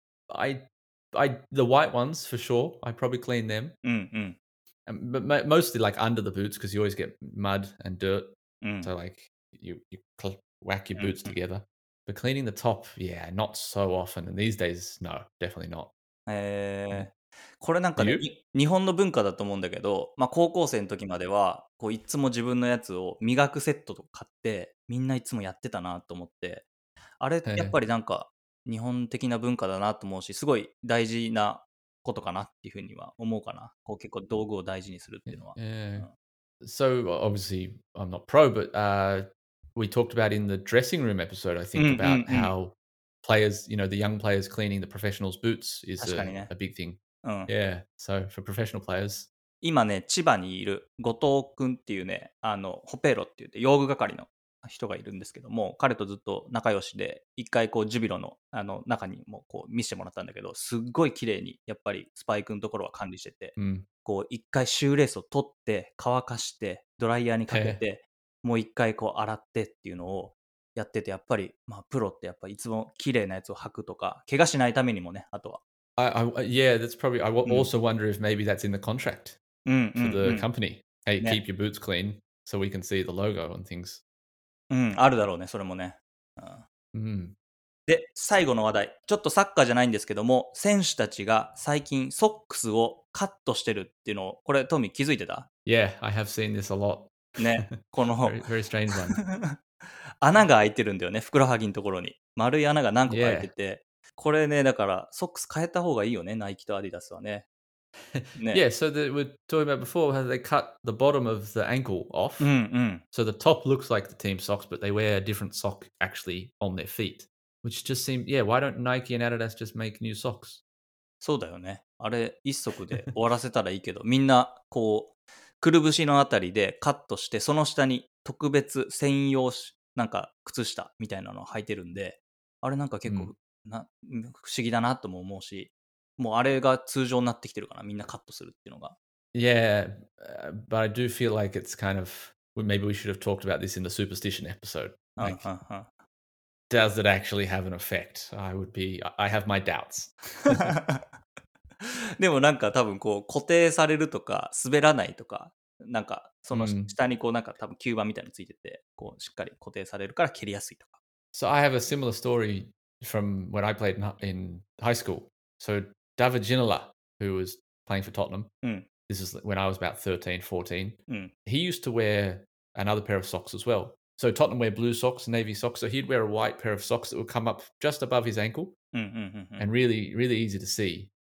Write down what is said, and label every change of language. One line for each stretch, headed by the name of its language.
English: I the white ones for sure, I probably clean them.
Japanese: うんうん、
English: but mostly like under the boots because you always get mud and dirt、
Japanese: うん、
English: so like you whack your boots、うん、together, but cleaning the top, yeah, not so often, and these days no, definitely not、
Japanese: これなんか、ね、日本の文化だと思うんだけど、まあ、高校生の時まではこういつも自分のやつを磨くセットとか買ってみんないつもやってたなと思って、あれやっぱりなんか日本的な文化だなと思うし、すごい大事なことかなっていうふうには思うかな。こう結構道具を大事にするっていうのは。
English: So obviously I'm not pro, but we talked about in the dressing room episode, I think, about how players, you know, the young players cleaning the professionals' boots is a big thing. Yeah, so for professional players.
Japanese: 今ね、千葉にいる後藤くんっていうね、あのホペロって言って用具係の人がいるんですけども、彼とずっと仲良しで一回こうジュビロ あの中にもこう見せてもらったんだけど、すっごい綺麗にやっぱりスパイクのところは管理してて、こう一回シューレースを取って乾かしてドライヤーにかけてもう一回こう洗ってっていうのをやってて、やっぱりまあプロってやっぱいつも綺麗なやつを履くとか怪我しないためにもね。あとは
English: Yeah, that's probably I also wonder if maybe that's in the contract for the company. Hey, keep your boots clean so we can see the logo and things
Japanese: うん、あるだろうね、それもね、うん。で、最後の話題、ちょっとサッカーじゃないんですけども、選手たちが最近ソックスをカットしてるっていうのを、これトミー気づいてた？
English: Yeah, I have seen this a lot.
Japanese: ね、この
English: very, very strange one.
Japanese: 穴が開いてるんだよね、ふくらはぎのところに丸い穴が何個か開いてて、これね、だからソックス変えた方がいいよね、ナイキとアディダスはね。
English: Yeah, so we were talking about before how they cut the bottom of the ankle off. So the top looks like the team socks, but they wear a different sock actually on their feet, which just seems, yeah, why don't Nike and Adidas just make new socks?
Japanese: そうだよね。あれ一足で終わらせたらいいけど、みんなこうくるぶしのあたりでカットして、その下に特別専用なんか靴下みたいなのを履いてるんで、あれなんか結構不思議だなとも思うし、もうあれが通常になってきてるかな、みんなカットするっていうのが。
English: Yeah, but I do feel like it's kind of, maybe we should have talked about this in the superstition episode. Like, does it actually have an effect? I have my doubts.
Japanese: でもなんか多分こう固定されるとか滑らないとか、なんかその下にこうなんか多分吸盤みたいなのついてて、こうしっかり固定されるから蹴りやすいとか。
English: So I have a similar story from when I played in high school. So,David Ginola, who was playing for Tottenham, this is when I was about 13, 14, he used to wear another pair of socks as well. So Tottenham wear blue socks, navy socks. So he'd wear a white pair of socks that would come up just above his ankle and really, really easy to see.